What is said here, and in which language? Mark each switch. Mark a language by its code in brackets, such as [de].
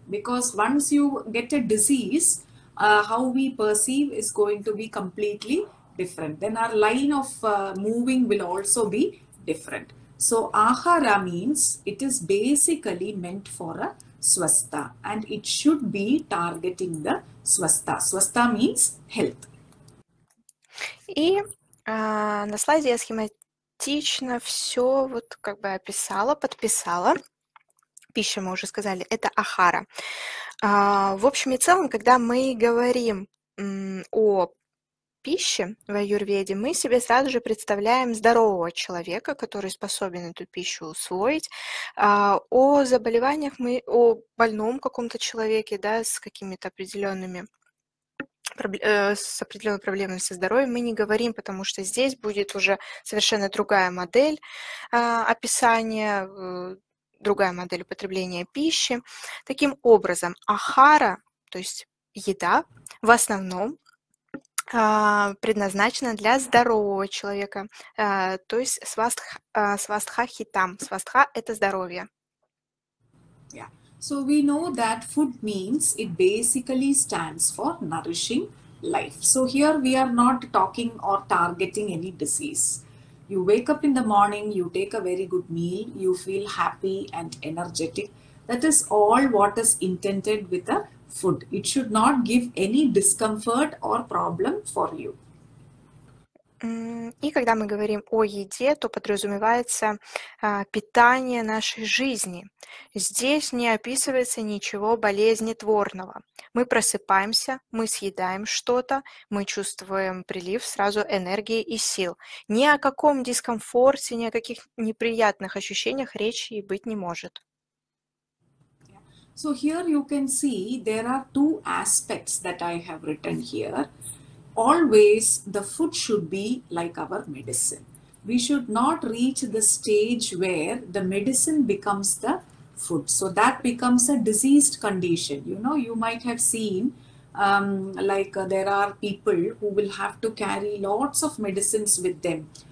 [en] Because once you get a disease, how we perceive is going to be completely different. Then our line of moving will also be different. So ahara means it is basically meant for a swastha and it should be targeting the swastha. Swastha means health. [ru] И на слайде я схематично все вот как бы описала, подписала. Пища, мы уже сказали, это ахара. В общем и целом, когда мы говорим о пищи в аюрведе, мы себе сразу же представляем здорового человека, который способен эту пищу усвоить. О заболеваниях, о больном каком-то человеке, да, с какими-то определенными проблемами со здоровьем мы не говорим, потому что здесь будет уже совершенно другая модель описания, другая модель употребления пищи. Таким образом, ахара, то есть еда, в основном предназначена для здорового человека, то есть свастхахитам. Свастха – это здоровье. [en] Yeah. So we know that food means it basically stands for nourishing life. So here we are not talking or targeting any disease. You wake up in the morning, you take a very good meal, you feel happy and energetic. That is all what is intended with a food. It should not give any discomfort or problem for you. [ru] И когда мы говорим о еде, то подразумевается питание нашей жизни. Здесь не описывается ничего болезнетворного. Мы просыпаемся, мы съедаем что-то, мы чувствуем прилив сразу энергии и сил. Ни о каком дискомфорте, ни о каких неприятных ощущениях речи и быть не может. [en] So here you can see there are two aspects that I have written here. Always the food should be like our medicine. We should not reach the stage where the medicine becomes the food. So that becomes a diseased condition. You know, you might have seen there are people who will have to carry lots of medicines with them.